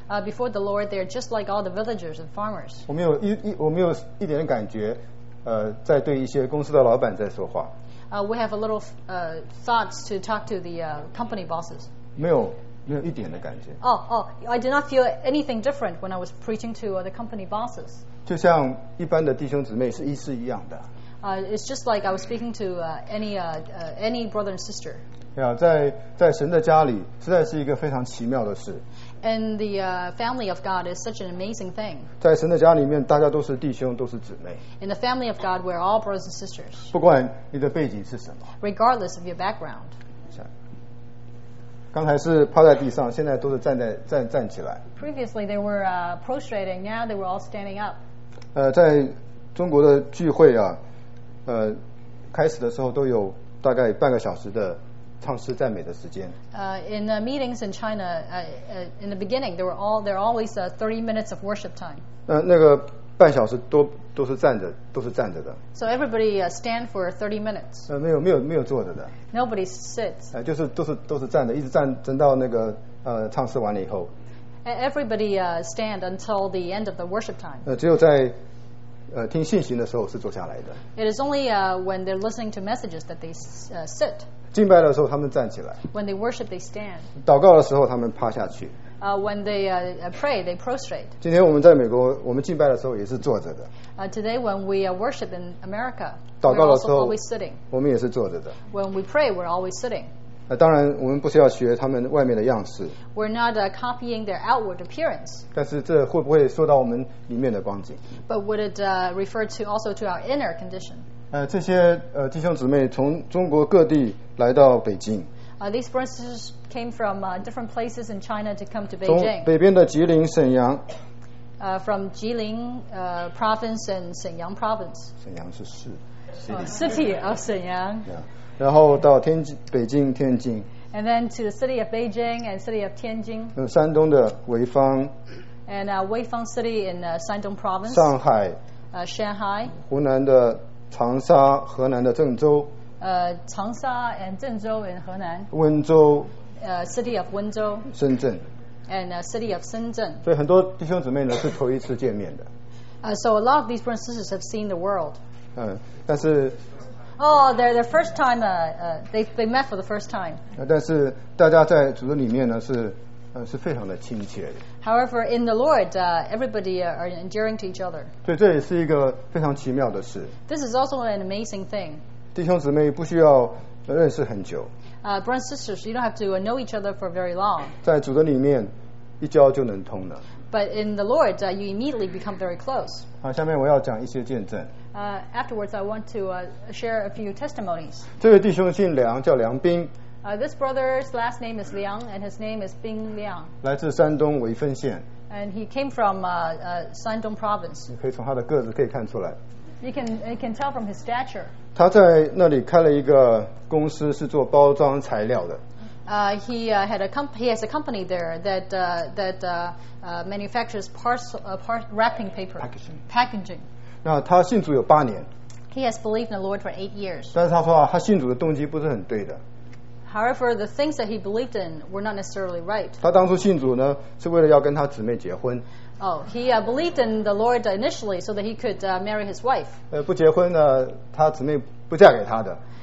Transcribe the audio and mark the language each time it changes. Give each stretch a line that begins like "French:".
English: Before the Lord, they're just like all the villagers and farmers.
Chinese: 我没有一点感觉，在对一些公司的老板在说话。
English: We have a little thoughts to talk to the company bosses.
Chinese: 没有一点的感觉。
English: I did not feel anything different when I was preaching to the company bosses.
Chinese: 就像一般的弟兄姊妹是意思一样的。
English: It's just like I was speaking to any brother and sister. Yeah,
Chinese: 在神的家里实在是一个非常奇妙的事。
English: And the family of God is such an amazing thing.
Chinese: 在神的家里面大家都是弟兄都是姊妹。
English: In the family of God, we're all brothers and sisters.
Chinese: 不管你的背景是什么。
English: Regardless of your background.
Chinese: 刚才是趴在地上，现在都是站起来。
English: Previously they were prostrating, now they were all standing up.
Chinese: 在中国的聚会啊，开始的时候都有大概半个小时的唱诗赞美的时间。
English: In the meetings in China, in the beginning, there are always 30 minutes of worship time.
Chinese: 那个半小时都是站着，都是站着的。
English: So everybody stand for 30 minutes.
Chinese: 没有坐着的。
English: Nobody sits.
Chinese: 就是都是站着，一直站，等到那个唱诗完了以后。
English: Everybody stand until the end of the worship time.
Chinese: 只有在听信息的时候是坐下来的。
English: It is only when they're listening to messages that they sit.
Chinese: 敬拜的时候他们站起来。
English: When they worship, they stand.
Chinese: 祷告的时候他们趴下去。
English: When they pray, they prostrate.
Chinese: 今天我们在美国，我们敬拜的时候也是坐着的。
English: Today, when we worship in America,
Chinese: 祷告的时候
English: we're also always sitting.
Chinese: 我们也是坐着的。
English: When we pray, we're always sitting.
Chinese: 当然，我们不是要学他们外面的样式。
English: We're not copying their outward appearance.
Chinese: 但是这会不会说到我们里面的光景
English: ？But would it refer to also to our inner condition?
Chinese: 这些弟兄姊妹从中国各地来到北京。
English: These brothers came from different places in China to come to Beijing.
Chinese: 从北边的吉林沈阳。
English: From Jilin province and Shenyang province.
Chinese: 沈阳是市。
English: City of Shenyang. Yeah.
Chinese: 然后到天津，北京，天津。
English: And then to the city of Beijing and city of Tianjin.
Chinese: 山东的潍坊。
English: And Weifang city in Shandong province.
Chinese: 上海。
English: Shanghai.
Chinese: 湖南的长沙，河南的郑州。
English: 长沙 and 郑州 in 河南，
Chinese: 温州
English: city of 温州，
Chinese: 深圳
English: and city of 深圳。
Chinese: 所以很多弟兄姊妹呢是头一次见面的。
English: So a lot of these brothers and sisters have seen the world.
Chinese: 但是
English: they're the first time they met for the first time.
Chinese: 但是大家在主的里面呢是非常的亲切的。
English: However, in the Lord, everybody are endearing to each other.
Chinese: 对，这也是一个非常奇妙的事。
English: This is also an amazing thing.
Chinese: 弟兄姊妹不需要认识很久。
English: Brothers and sisters, you don't have to know each other for very long.
Chinese: 在主的里面，一交就能通了。
English: But in the Lord, you immediately become very close.
Chinese: 下面我要讲一些见证。
English: Afterwards, I want to share a few testimonies.
Chinese: 这位弟兄姓梁，叫梁斌。
English: This brother's last name is Liang, and his name is Bing Liang.
Chinese: 来自山东潍坊县。
English: And he came from Shandong province.
Chinese: 你可以从他的个子可以看出来。
English: You can tell from his stature.
Chinese: 他在那里开了一个公司，是做包装材料的。
English: He has a company there that manufactures wrapping paper. Packaging.
Chinese: 那他信主有八年。
English: He has believed in the Lord for 8 years.
Chinese: 但是他说啊，他信主的动机不是很对的。
English: However, the things that he believed in were not necessarily right.
Chinese: 他当初信主呢，是为了要跟他姊妹结婚。
English: He believed in the Lord initially so that he could marry his wife.
Chinese: 不结婚呢，他姊妹不嫁给他的。